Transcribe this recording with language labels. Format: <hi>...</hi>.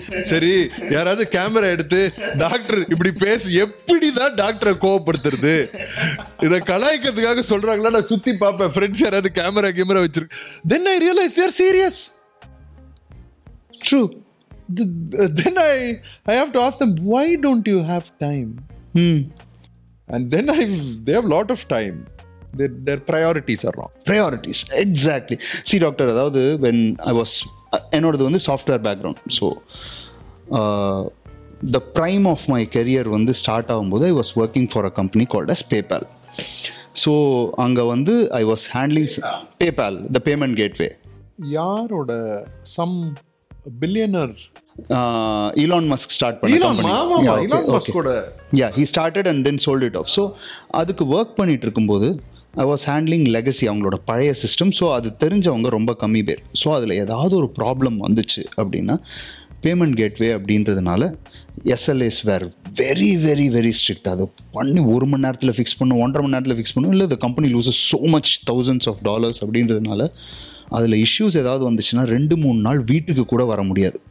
<ta>சரி, யாராவது கேமரா எடுத்து டாக்டர் இப்படி பேசு, எப்படிதான் டாக்டரை கோவப்படுத்துறது, இதை கலாய்க்கிறதுக்காக சொல்றாங்களா? நான் சுத்தி பார்ப்பேன், ஃப்ரெண்ட்ஸ் யாராவது கேமரா கேமரா வச்சிருக்கு,</ta> <en>Then I realize they are serious. True. Then I have to ask them, why don't you have time? And then they have a lot of time. Their priorities are wrong. Priorities, exactly. See, doctor, when I was enrolled in the software background, so the prime of my career when the start of I was working for a company called as PayPal. So</en> <ta>anga vandu</ta> <en>I was handling PayPal, the payment gateway.</en> <ta>Yaaroda</ta> <en>some billionaire</en> <ta>Elon Musk start பண்ண</ta> <en>Company. Elon Musk, yeah, okay, Elon Musk கூட. Yeah, he started and then sold it off.</en> <ta>So அதுக்கு work பண்ணிட்டு இருக்கும்போது</ta> <en>I was handling legacy,</en> <ta>அவங்களோட பழைய system. So அது தெரிஞ்சவங்க ரொம்ப கம்மி பேர். ஸோ அதில் ஏதாவது ஒரு ப்ராப்ளம் வந்துச்சு அப்படின்னா பேமெண்ட் கேட்வே அப்படின்றதுனால</ta> <en>SLAs were very, very, very strict.</en> <ta>அது பண்ணி ஒரு மணி நேரத்தில் ஃபிக்ஸ் பண்ணும், 1.5 மணி நேரத்தில் ஃபிக்ஸ் பண்ணும், இல்லை</ta> <en>the company loses so much thousands of dollars</en> <ta>அப்படின்றதுனால அதில் இஷ்யூஸ் ஏதாவது வந்துச்சுன்னா 2-3 நாள் வீட்டுக்கு கூட வர முடியாது.</ta>